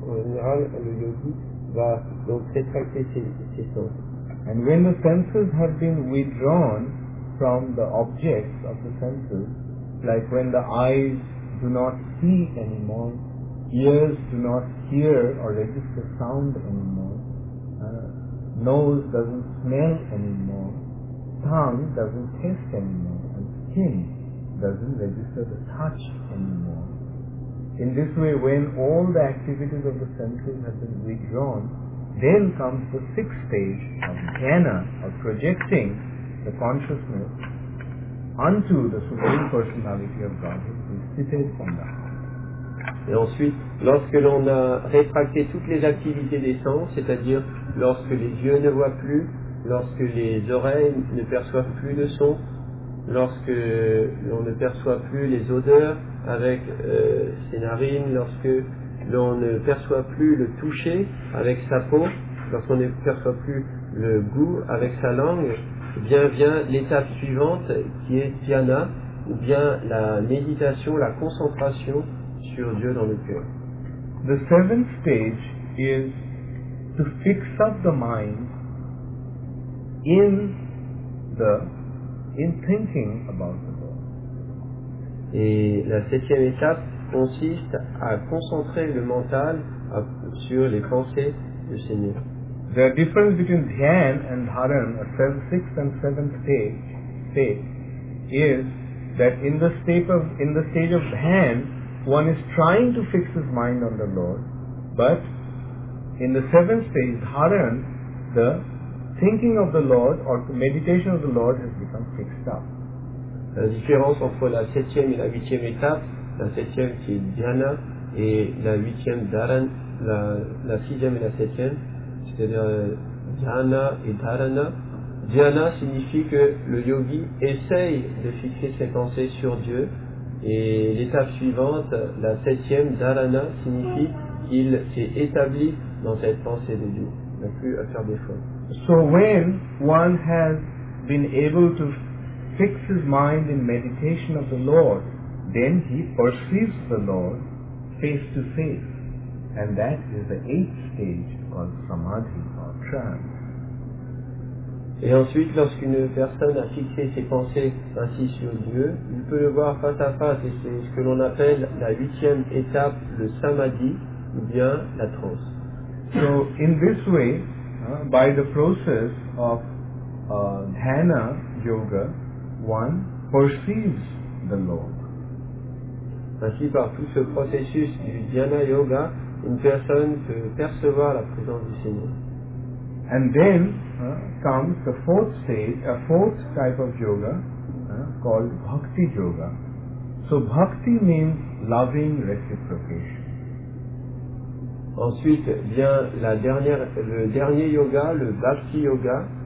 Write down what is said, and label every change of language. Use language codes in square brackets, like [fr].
[fr] En général, le yogi va donc rétracter ses sens. [en] And when the senses have been withdrawn from the objects of the senses, like when the eyes do not see anymore, ears do not hear or register sound anymore, nose doesn't smell anymore, tongue doesn't taste anymore, and skin doesn't register the touch anymore. In this way, when all the activities of the senses have been withdrawn, then comes the sixth stage of jhana, of projecting the consciousness unto the Supreme Personality of Godhead, who is seated on the heart. [fr] Et ensuite, lorsque l'on a rétracté toutes les activités des sens, c'est-à-dire lorsque les yeux ne voient plus, lorsque les oreilles ne perçoivent plus de son, lorsque l'on ne perçoit plus les odeurs avec ses narines, lorsque l'on ne perçoit plus le toucher avec sa peau, lorsqu'on ne perçoit plus le goût avec sa langue, vient l'étape suivante qui est dhyana, ou bien la méditation, la concentration sur Dieu dans le cœur. [en] The seventh stage is to fix up the mind in thinking about the Lord. [fr] Et la septième étape consiste à concentrer le mental sur les pensées du Seigneur. [en] The difference between dhyana and dharana, sixth and seventh stage is that in the stage of dhyana, one is trying to fix his mind on the Lord, but in the seventh stage, dharana, the thinking of the Lord or the meditation of the Lord has become fixed up. [fr] La différence entre la septième et la huitième étape, la septième qui est dhyana, et la huitième dharana, la sixième et la septième, c'est-à-dire dhyana et dharana. Dhyana signifie que le yogi essaye de fixer ses pensées sur Dieu. Et l'étape suivante, la septième, dharana, signifie qu'il s'est établi dans cette pensée de Dieu. Il n'a plus à faire d'efforts. [en] So when one has been able to fix his mind in meditation of the Lord, then he perceives the Lord face to face. And that is the eighth stage called samadhi or trance. [fr] Et ensuite, lorsqu'une personne a fixé ses pensées ainsi sur Dieu, il peut le voir face à face, et c'est ce que l'on appelle la huitième étape, le samadhi, ou bien la transe. [en] So, in this way, by the process of dhyana yoga, one perceives the Lord. [fr] Ainsi, par tout ce processus du dhyana yoga, une personne peut percevoir la présence du Seigneur. [en] And then comes the fourth stage, a fourth type of yoga called bhakti yoga. So bhakti means loving reciprocation. [fr] Ensuite vient le dernier yoga, le bhakti yoga.